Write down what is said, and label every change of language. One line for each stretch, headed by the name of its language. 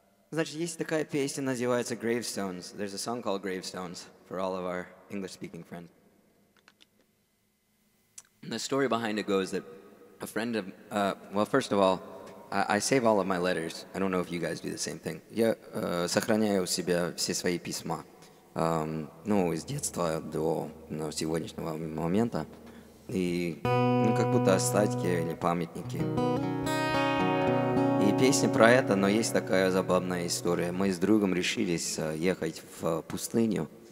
Russian: Значит, есть такая песня, называется Gravestones.
English: There's a song called Gravestones for all of our English-speaking friends. And the story behind it goes that a friend of... well, first of all, I save all of my letters. I don't know if you guys do the same thing.
Russian: Я сохраняю у себя все свои письма. Ну, из детства до сегодняшнего момента. И, ну, как будто остатки или памятники. И песня про это, но есть такая забавная история. Мы с другом решились ехать в пустыню.